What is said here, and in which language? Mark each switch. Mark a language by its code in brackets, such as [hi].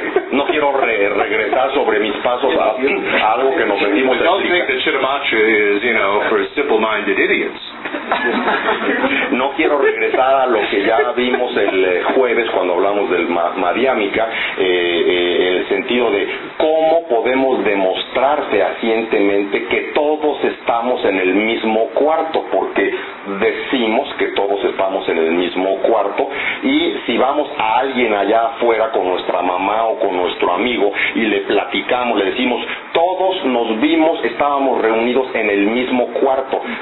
[es] No quiero regresar sobre mis pasos a algo que nos metimos. [en] Don't think that Chittamatra is, you know, for simple-minded idiots. [es] No quiero regresar a lo que ya vimos el jueves cuando hablamos del Madhyamika, el sentido de cómo podemos demostrar fehacientemente que todos estamos en el mismo cuarto, porque decimos que todos estamos en el mismo cuarto, y si vamos a alguien allá afuera con nuestra mamá o con nuestro amigo y le platicamos, le decimos, todos nos vimos, estábamos reunidos en el mismo cuarto,